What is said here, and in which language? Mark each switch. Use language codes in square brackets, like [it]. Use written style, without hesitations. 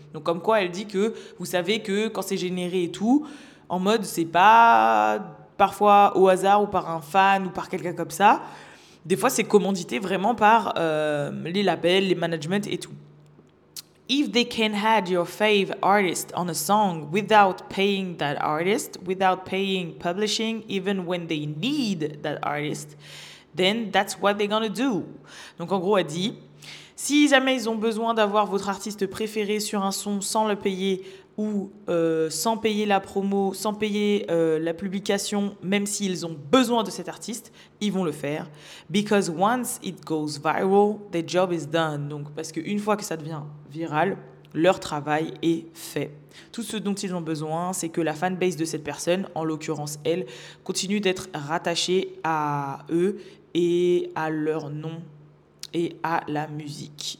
[fr] Donc comme quoi elle dit que, vous savez que quand c'est généré et tout, en mode c'est pas parfois au hasard ou par un fan ou par quelqu'un comme ça. Des fois, c'est commandité vraiment par les labels, les managements et tout. [en] If they can add your fave artist on a song without paying that artist, without paying publishing, even when they need that artist, then that's what they're gonna do. [fr] Donc en gros, elle dit, si jamais ils ont besoin d'avoir votre artiste préféré sur un son sans le payer ou sans payer la promo, sans payer la publication, même s'ils ont besoin de cet artiste, ils vont le faire. [en] Because once it goes viral, the job is done. [fr] Donc, parce qu'une fois que ça devient viral, leur travail est fait. Tout ce dont ils ont besoin, c'est que la fanbase de cette personne, en l'occurrence elle, continue d'être rattachée à eux et à leur nom et à la musique.